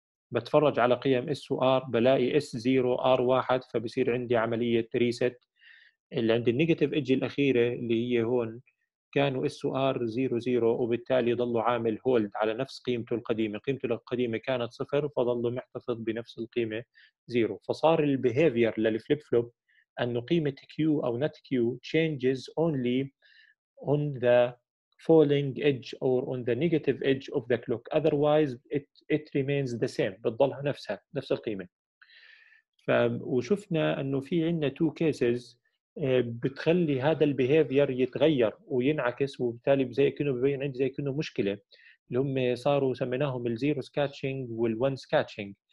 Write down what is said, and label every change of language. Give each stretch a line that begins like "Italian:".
Arabic: بتفرج على قيم اس وار، بلاقي اس 0 ار 1، فبصير عندي عمليه ريست. اللي عند النيجاتيف ايدج الاخيره اللي هي هون كانوا اس وار 0 0، وبالتالي ضلوا عامل هولد على نفس قيمته القديمه. قيمته القديمه كانت 0 فضلوا محتفظ بنفس القيمه 0. فصار البيهافير للفليب فلوب أن قيمة Q أو Net Q
English: changes only on the falling edge or on the negative edge of the clock. Otherwise, it remains the same.
Arabic: بتضلها نفسها، نفس القيمة. وشفنا أنه في عندنا
English: two cases
Arabic: بتخلي هذا behavior يتغير وينعكس، وبالتالي زي كأنه ببين عندي زي كأنه مشكلة. لهم صاروا سميناهم zero sketching وال one sketching.